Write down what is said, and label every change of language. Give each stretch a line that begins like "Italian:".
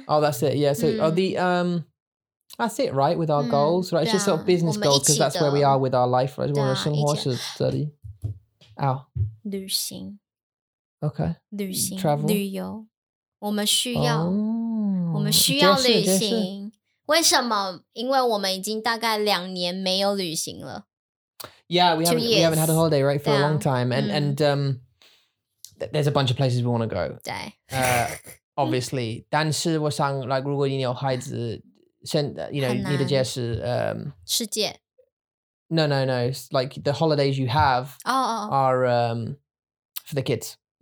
English: Oh, that's it, yeah So the, that's it, right? With our goals, right? It's just sort of business goals Because that's where we are with our life, right?
Chinese: 我们生活是这里
English: Ow
Chinese: 旅行
English: Okay
Chinese: 旅行
English: Travel
Chinese: 旅游我们需要旅行为什么因为我们已经大概两年没有旅行了
English: Yeah, we haven't had a holiday, right, for a long time. And, there's a bunch of places we want to go.
Chinese: obviously. 但是我想, like, 如果你有孩子,
English: you know,
Chinese: 你的解释, 世界。
English: No. Like, the holidays you have are for the kids.